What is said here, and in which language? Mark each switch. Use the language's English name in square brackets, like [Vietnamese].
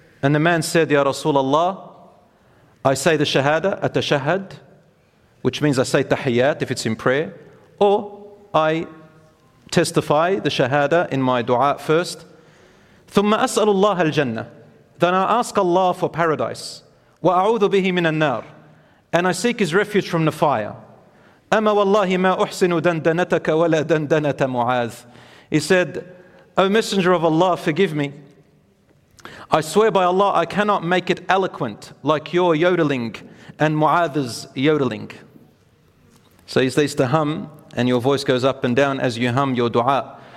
[English] And the man said, Ya Rasulullah, I say the shahada, at-tashahad, which means I say tahiyyat if it's in prayer, or I testify the shahada in my dua first. [Arabic] ثم أسأل الله الجنة. [English] Then I ask Allah for paradise. [Arabic] وأعوذ به من النار. [English] And I seek His refuge from the fire. [Arabic] أما والله ما أحسن دندنتك ولا دندنة معاذ. [English] He said, O Messenger of Allah, forgive me. I swear by Allah, I cannot make it eloquent like your yodeling and Mu'adh's yodeling. So he says to hum, and your voice goes up and down as you hum your dua.